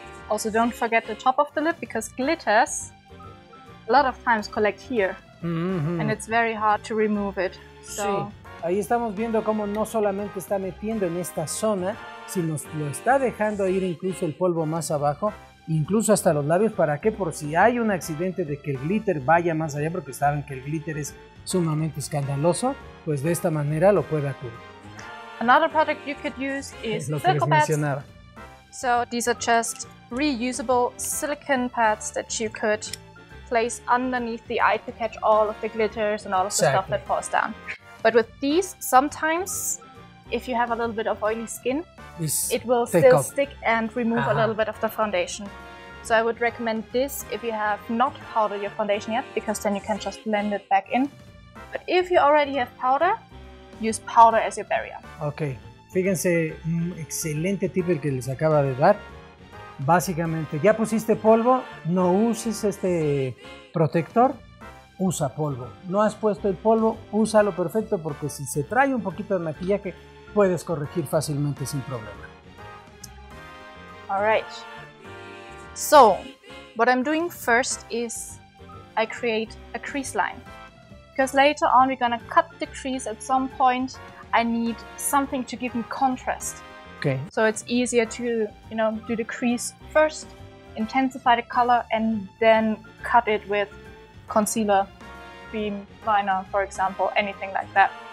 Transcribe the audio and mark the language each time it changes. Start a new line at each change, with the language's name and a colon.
English: Also, don't forget the top of the lip because glitters a lot of times collect here and it's very hard to remove it. So.
Spanish: Sí, ahí estamos viendo cómo no solamente está metiendo en esta zona, sino lo está dejando ir incluso el polvo más abajo, incluso hasta los labios. ¿Para qué? Por si hay un accidente de que el glitter vaya más allá, porque saben que el glitter es sumamente escandaloso, pues de esta manera lo puede cubrir.
English: Another product you could use is
Spanish: lo que les mencionaba.
English: So these are just reusable silicon pads that you could place underneath the eye to catch all of the glitters and all of the stuff that falls down. But with these, sometimes if you have a little bit of oily skin, it will still stick and remove a little bit of the foundation. So I would recommend this if you have not powdered your foundation yet, because then you can just blend it back in. But if you already have powder, use powder as your barrier.
Spanish: Okay. Fíjense, un excelente tip el que les acaba de dar. Básicamente, ya pusiste polvo, no uses este protector, usa polvo. No has puesto el polvo, úsalo perfecto, porque si se trae un poquito de maquillaje, puedes corregir fácilmente sin problema.
English: All right. So, what I'm doing first is I create a crease line. Because later on we're gonna cut the crease at some point. I need something to give me contrast. Okay. So it's easier to, you know, do the crease first, intensify the color, and then cut it with concealer, cream, liner, for example, anything like that.